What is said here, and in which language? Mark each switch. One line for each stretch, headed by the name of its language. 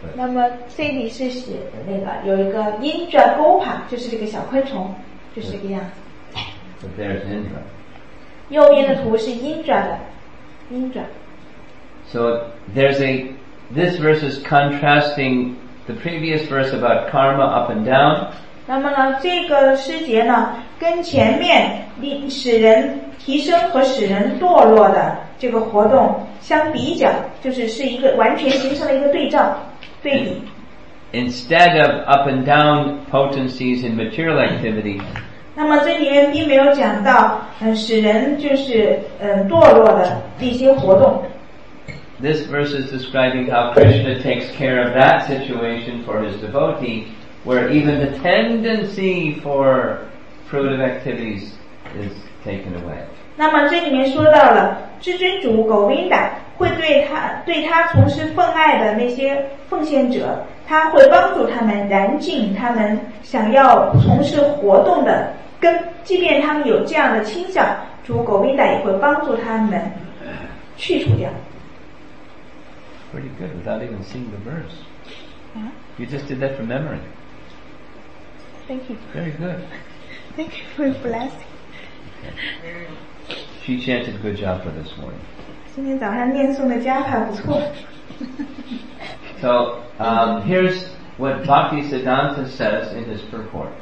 Chinese: 那么这里是写的那个有一个 Indra Gopa， 就是这个小昆虫，就是这个样子。
English: But there's Indra.
Chinese: 右边的图是 Indra 的 ，Indra.
English: So there's a this verse is contrasting the previous verse about karma up and down.
Chinese: 那么呢，这个诗节呢，跟前面使人提升和使人堕落的这个活动相比较，就是是一个完全形成了一个对照对比。
English: Instead of up and down potencies in material activity，
Chinese: 那么这里面并没有讲到使人就是堕落的这些活动。
English: This verse is describing how Krishna takes care of that situation for his devotee, where even the tendency for fruitive activities is taken away.
Chinese: 那么这里面说到了。至尊主 Govinda 会对他从事奉爱的那些奉献者，他会帮助他们燃尽他们想要从事活动的根，即便他们有这样的倾向，主 Govinda 也会帮助他们去除掉。
English: Pretty good without even seeing the verse. You just did that from memory. Thank you. Very good. Thank you for your blessing. She chanted good japa this morning.
Chinese: 今天早上念诵的加法不错。
English: So, here's what Bhakti Siddhanta says in his purport.